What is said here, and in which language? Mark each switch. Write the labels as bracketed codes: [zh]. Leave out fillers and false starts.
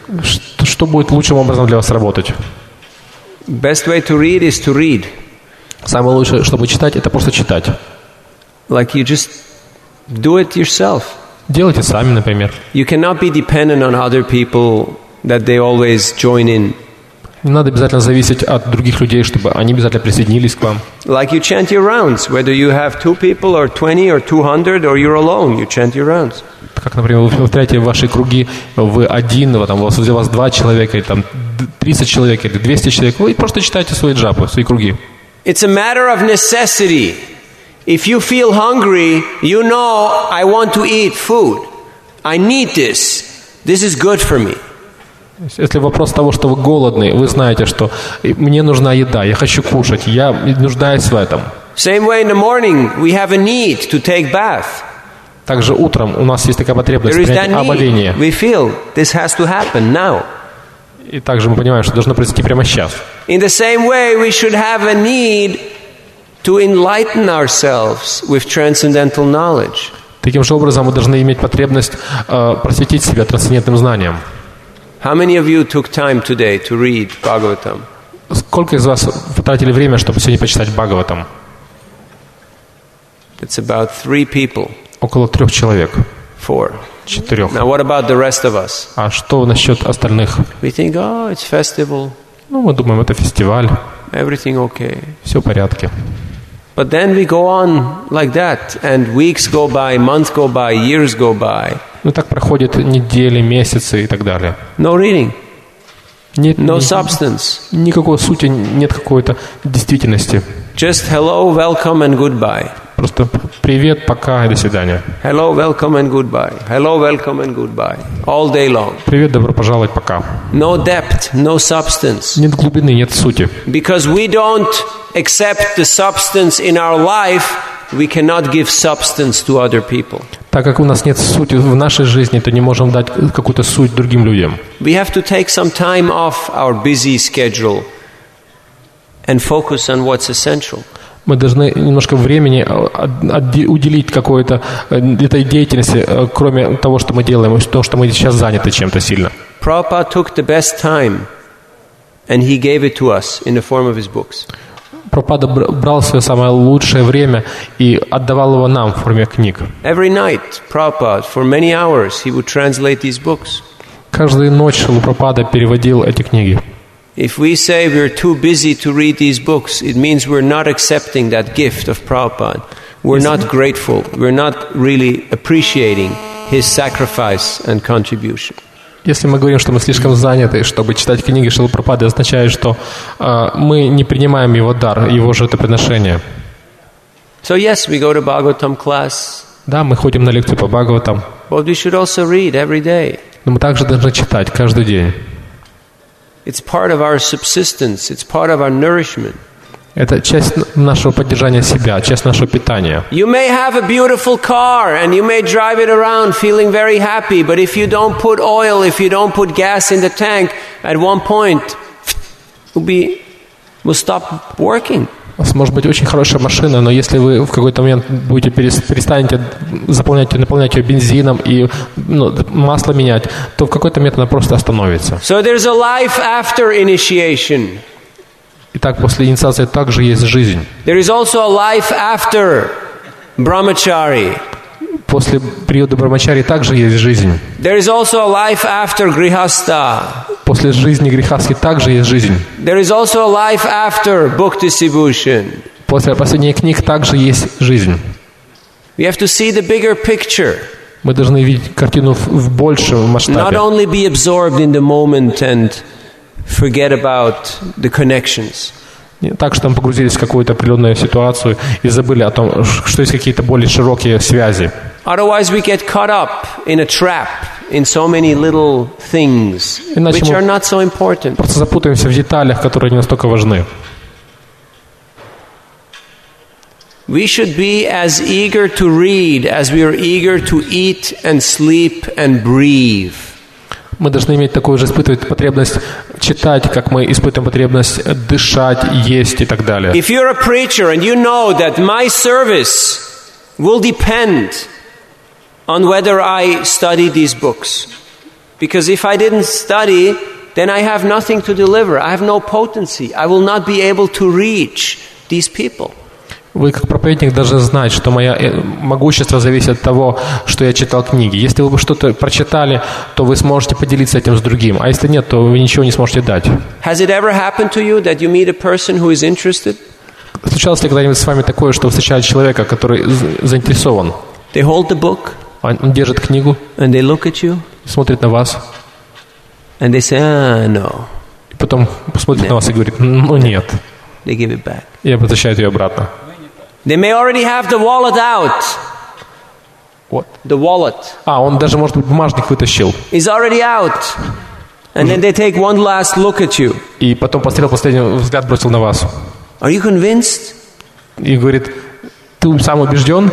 [ru] Что будет лучшим образом для вас работать? [en] Best way to read is to read. [ru] Самое лучшее, чтобы читать, это просто читать. [en] Like you just do it yourself. [ru] Делайте сами, например. [en] You cannot be dependent on other people that they always join in. [ru] Не надо обязательно зависеть от других людей, чтобы они обязательно присоединились к вам. [en] Like you chant your rounds, whether you have two people or 20 or 200 or you're alone, you chant your rounds. [ru] Как, например, вы повторяете ваши круги, вы один, там, у вас два человека, или там 30 человек, или 200 человек, вы просто читаете свои джапы, свои круги. [en] It's a matter of necessity. If you feel hungry, you know I want to eat food. I need this. This is good for me. [ru] Если вопрос того, что вы голодны, вы знаете, что мне нужна еда, я хочу кушать, я нуждаюсь в этом. [en] Same way in the morning we have a need to take bath. [ru] Также утром у нас есть такая потребность принять омовение. [en] We feel this has to happen now. [ru] И также мы понимаем, что должно произойти прямо сейчас. [en] In the same way we should have a need to enlighten ourselves with transcendental knowledge. [ru] Таким же образом мы должны иметь потребность просветить себя трансцендентным знанием. [en] How many of you took time today to read Bhagavatam? [ru] Сколько из вас потратили время, чтобы сегодня почитать Бхагаватам? [en] It's about 3 people. [ru] Около 3 человек. [en] 4. [ru] 4. [en] Now what about the rest of us? [ru] А что насчет остальных? [en] We think, oh, it's festival. [ru] Ну, мы думаем, это фестиваль. [en] Everything okay. [ru] Все в порядке. [en] But then we go on like that, and weeks go by, months go by, years go by. [ru] Ну так проходят недели, месяцы и так далее. [en] No reading. [ru] Нет, [en] no substance. [ru] Никакой сути, нет какой-то действительности. [en] Just hello, welcome and goodbye. [ru] Просто привет, пока и до свидания. [en] Hello, welcome and goodbye. Hello, welcome and goodbye. All day long. [ru] Привет, добро пожаловать, пока. [en] No depth, no substance. [ru] Нет глубины, нет сути. [en] Because we don't accept the substance in our life, we cannot give substance to other people. [ru] Так как у нас нет сути в нашей жизни, то не можем дать какую-то суть другим людям. [en] We have to take some time off our busy schedule and focus on what's essential. [ru] Мы должны немножко времени уделить какой-то этой деятельности, кроме того, что мы делаем, то, что мы сейчас заняты чем-то сильно. [en] Prabhupada took the best time and he gave it to us in the form of his books. [ru] Прабхупада брал свое самое лучшее время и отдавал его нам в форме книг. [en] Every night, Prabhupada, for many hours, he would translate these books. [ru] Каждую ночь Прабхупада переводил эти книги. [en] If we say we're too busy to read these books, it means we're not accepting that gift of Prabhupada. We're not grateful. We're not really appreciating his sacrifice and contribution. [ru] Если мы говорим, что мы слишком заняты, чтобы читать книги Шрилы Прабхупады, означает, что мы не принимаем его дар, его жертвоприношение. [en] So yes, we go to Bhagavatam class. [ru] Да, мы ходим на лекцию по Бхагаватам. [en] But we should also read every day. [ru] Но мы также должны читать каждый день. [en] It's part of our subsistence. It's part of our nourishment. [ru] Это часть нашего поддержания себя, часть нашего питания. [en] You may have a beautiful car and you may drive it around feeling very happy, but if you don't put oil, if you don't put gas in the tank, at one point will stop working. [ru] У вас может быть очень хорошая машина, но если вы в какой-то момент будете перестанете заполнять, наполнять ее бензином и масло менять, то в какой-то момент она просто остановится. [en] So there's a life after initiation. [ru] Итак, после инициации также есть жизнь. [en] There is also a life after brahmachari. [ru] После периода брахмачари также есть жизнь. [en] There is also a life after grihastha. [ru] После жизни грихасхи также есть жизнь. [en] There is also a life after book distribution. [ru] После последних книг также есть жизнь. [en] We have to see the bigger picture. [ru] Мы должны видеть картину в большем масштабе. [en] Not only be absorbed in the moment and forget about the connections. [ru] Так, что мы погрузились в какую-то определенную ситуацию и забыли о том, что есть какие-то более широкие связи. [en] Otherwise we get caught up in a trap in so many little things, which are not so important. [ru] Просто запутаемся в деталях, которые не настолько важны. [en] We should be as eager to read as we are eager to eat and sleep and breathe. [ru] Мы должны иметь такую же испытывать потребность читать, как мы испытываем потребность дышать, есть и так далее. [en] If you're a preacher and you know that my service will depend on whether I study these books. Because if I didn't study, then I have nothing to deliver. I have no potency. I will not be able to reach these people. [ru] Вы, как проповедник, должны знать, что мое могущество зависит от того, что я читал книги. Если вы что-то прочитали, то вы сможете поделиться этим с другим. А если нет, то вы ничего не сможете дать. [en] Has it ever happened to you that you meet a person who is interested? [ru] Случалось ли когда-нибудь с вами такое, что вы встречали человека, который заинтересован? [en] They hold the book. [ru] Он держит книгу. [en] And they look at you. [ru] Смотрит на вас. [en] And they say, no. [ru] И потом посмотрит на вас и говорит, ну нет. [en] They give it back. [ru] И возвращает ее обратно. [en] They may already have the wallet out. What? The wallet. [ru] А, он даже, может быть, бумажник вытащил. [en] It's already out. And then they take one last look at you. [ru] И потом последний взгляд бросил на вас. [en] Are you convinced? [ru] И говорит, ты сам убежден?